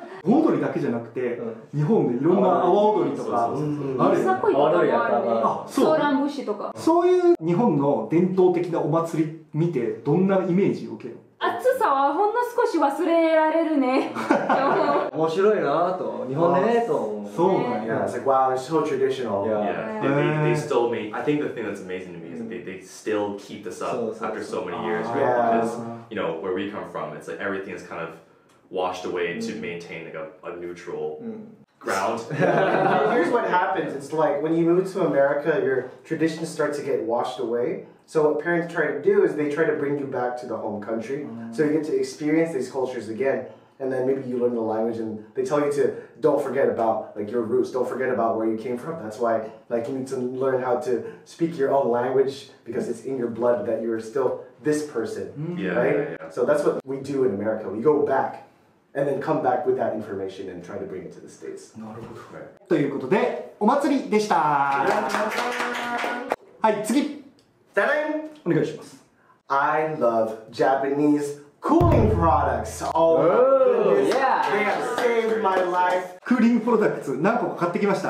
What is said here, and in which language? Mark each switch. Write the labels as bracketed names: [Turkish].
[Japanese] 盆踊りだけじゃなくて、日本でいろんな阿波踊りとかあるよ。阿波踊りやったら、ソーラン節とか。そういう日本の伝統的なお祭り見て、どんなイメージを受ける？暑さはほんの少し忘れられるね。面白いなと、日本でねと思う。そうなんや。 [English] It's like, wow, it's so traditional. They still make, I think the thing that's amazing to me is they still keep this up after so many years, right? Because, you know, where we come from, it's like everything is kind of washed away to maintain like a neutral ground. Here's what happens. It's like when you move to America, your traditions start to get washed away. So what parents try to do is they try to bring you back to the home country. So you get to experience these cultures again. And then maybe you learn the language and they tell you to don't forget about like your roots. Don't forget about where you came from. That's why like you need to learn how to speak your own language because it's in your blood that you're still this person. So that's what we do in America. We go back and then come back with that information and try to bring it to the States. [Japanese] なるほど。ということで、お祭りでした。はい、次。ダダン。お願いします。 [English] I love Japanese cooling products. Oh, goodness. Yeah. They have saved my life. [Japanese] クーリングプロダクツ何個か買ってきました。